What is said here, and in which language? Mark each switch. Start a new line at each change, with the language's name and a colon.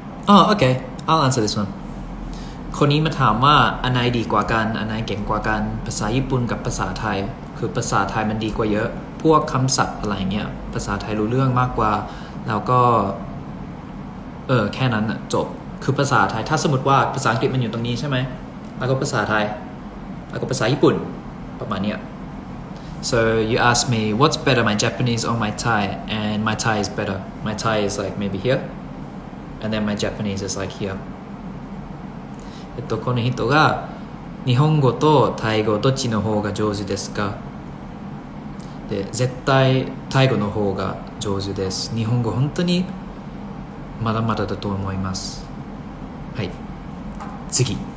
English: Oh, okay. I'll answer this one.
Thai: คนนี้มาถามว่าอันไหนดีกว่ากันอันไหนเก่งกว่ากันภาษาญี่ปุ่นกับภาษาไทยคือภาษาไทยมันดีกว่าเยอะพวกคำศัพท์อะไรเงี้ยภาษาไทยรู้เรื่องมากกว่าแล้วก็ เออแค่นั้นอะจบคือภาษาไทยถ้าสมมติว่าภาษาอังกฤษมันอยู่ตรงนี้ใช่ไหมแล้วก็ภาษาไทยแล้วก็ภาษาญี่ปุ่นประมาณนี้
English: so you ask me what's better my Japanese or my Thai and my Thai is better my Thai is like maybe here and then my Japanese is like here
Japanese: この人が日本語とタイ語どっちの方が上手ですかで絶対タイ語の方が上手です日本語本当にまだまだだと思いますはい次